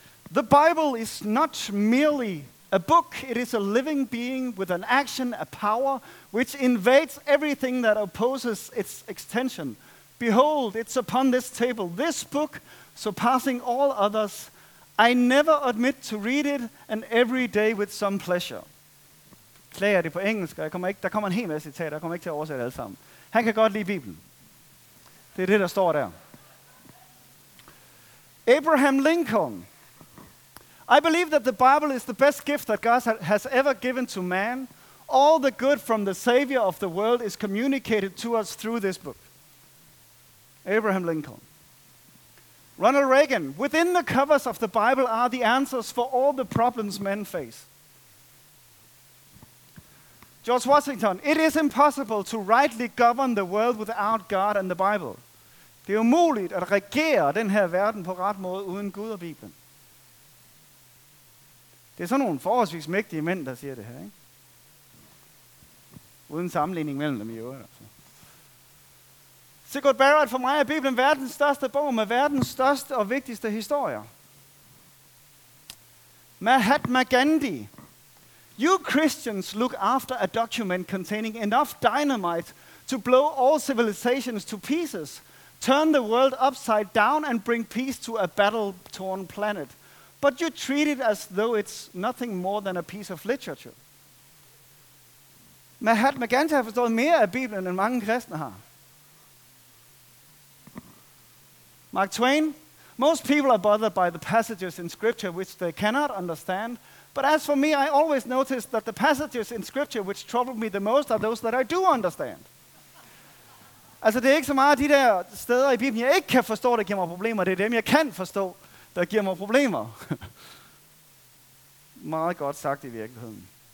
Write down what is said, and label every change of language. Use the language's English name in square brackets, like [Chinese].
[English] The Bible is not merely a book. It is a living being with an action, a power, which invades everything that opposes its extension. Behold, it's upon this table, this book surpassing all others. I never admit to read it, and every day with some pleasure. [Danish] Klager det på engelsk, jeg kommer ikke, der kommer en hel masse citater, jeg kommer ikke til at oversætte alle sammen. Han kan godt lide Bibelen. Det er det, der står der. Abraham Lincoln. [English] I believe that the Bible is the best gift that God has ever given to man. All the good from the Savior of the world is communicated to us through this book. Abraham Lincoln. Ronald Reagan. Within the covers of the Bible are the answers for all the problems men face. George Washington. It is impossible to rightly govern the world without God and the Bible. [Danish] Det er umuligt at regere den her verden på ret måde uden Gud og Bibelen. Det er sådan nogle forholdsvis mægtige mænd, der siger det her, ikke? Uden sammenligning mellem dem i øvrigt. Altså. Sigurd Barrett, for mig er Bibelen verdens største bog med verdens største og vigtigste historier. Mahatma Gandhi. [English] You Christians look after a document containing enough dynamite to blow all civilizations to pieces, turn the world upside down and bring peace to a battle-torn planet. But you treat it as though it's nothing more than a piece of literature. [Danish] Mahatma Gandhi har forstået mere af Bibelen, end mange kristne har. Mark Twain. [English] Most people are bothered by the passages in Scripture which they cannot understand. But as for me, I always notice that the passages in Scripture which trouble me the most are those that I do understand. [Danish] Altså, det er ikke så meget de der steder i Bibelen, jeg ikke kan forstå, der giver mig problemer. Det er dem, jeg kan forstå, der giver mig problemer. Meget godt sagt i virkeligheden.